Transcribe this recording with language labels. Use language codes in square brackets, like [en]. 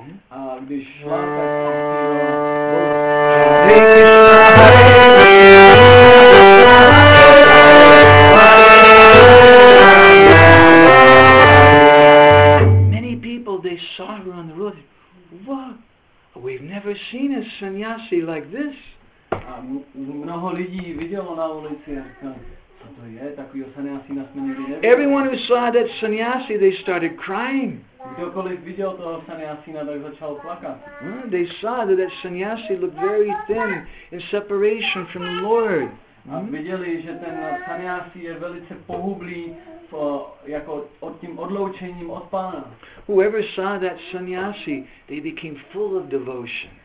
[cs] A když šla, tak opustila. [en] Many people, they saw her on the road. What? We've never seen a sannyasi like this. [cs] A mnoho lidí vidělo na ulici a říkal, co to je, takovýho sannyasi na směně by nebylo. [en] Everyone who saw that sannyasi, they started crying. [cs] Kdokoliv viděl toho sannyasina, tak začal plakat. [en] They saw that sannyasi looked very thin in separation from the Lord. [cs] A viděli, že ten sannyasi je velice pohublý jako od tím odloučením od pána. [en] Whoever saw that sannyasi, they became full of devotion.